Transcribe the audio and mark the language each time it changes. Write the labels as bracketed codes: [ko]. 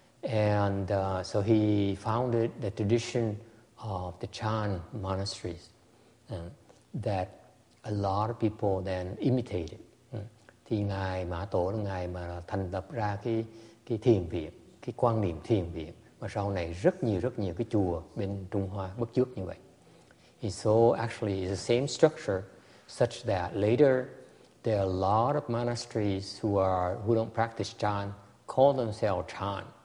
[en] So he founded the tradition of the Chan monasteries that a lot of people then imitated. [vi] Thì ngài Mã Tổ là ngài mà thành lập ra cái thiền viện, cái quan niệm thiền viện, mà sau này rất nhiều cái chùa bên Trung Hoa bắt chước như vậy. [en] And so actually it's the same structure, such that later there are a lot of monasteries who don't practice Chan call themselves Chan.